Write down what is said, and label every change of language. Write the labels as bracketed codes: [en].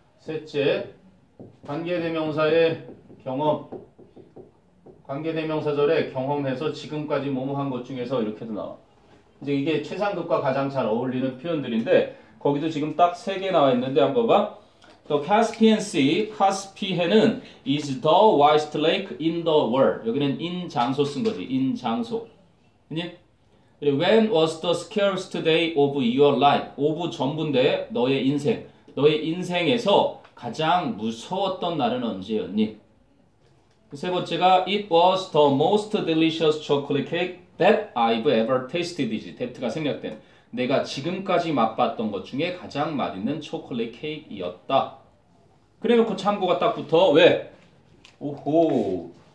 [ko] 셋째, 관계대명사의 경험, 관계대명사절에 경험해서 지금까지 뭐뭐한 것 중에서 이렇게도 나와. 이제 이게 최상급과 가장 잘 어울리는 표현들인데 거기도 지금 딱 세 개 나와 있는데 한번 봐. [en] The Caspian Sea, [ko] 카스피해는 [en] is the widest lake in the world. [ko] 여기는 in 장소 쓴 거지. in 장소. 아니? 그리고 [en] when was the scariest day of your life? [ko] of 전부인데 너의 인생. 너의 인생에서 가장 무서웠던 날은 언제였니? 세 번째가 [en] it was the most delicious chocolate cake that I've ever tasted. [ko] that가 생략된. 내가 지금까지 맛봤던 것 중에 가장 맛있는 초콜릿 케이크였다. 그래 놓고 참고가 딱 붙어. 왜? 오호.